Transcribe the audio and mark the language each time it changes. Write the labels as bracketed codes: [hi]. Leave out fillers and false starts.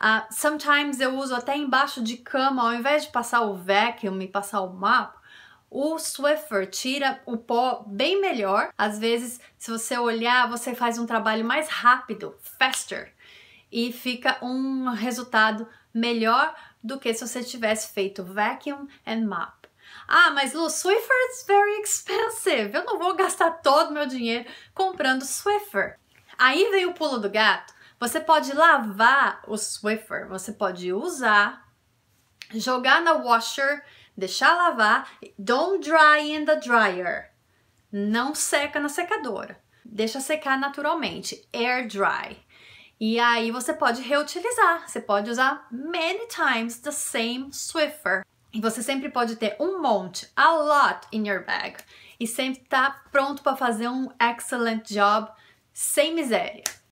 [pt] Sometimes eu uso até embaixo de cama, ao invés de passar o vacuum e passar o mop, o Swiffer tira o pó bem melhor. Às vezes, se você olhar, você faz um trabalho mais rápido, faster, e fica um resultado melhor do que se você tivesse feito [en] vacuum and mop. Ah, mas Lu, Swiffer is very expensive. [pt] Eu não vou gastar todo meu dinheiro comprando Swiffer. Aí vem o pulo do gato. Você pode lavar o Swiffer, você pode usar, jogar na washer, deixar lavar, [en] don't dry in the dryer, [pt] não seca na secadora, deixa secar naturalmente, [en] air dry, [pt] e aí você pode reutilizar, você pode usar [en] many times the same Swiffer, [pt] e você sempre pode ter um monte, [en] a lot in your bag, [pt] e sempre tá pronto para fazer um [en] excellent job, [pt] sem miséria.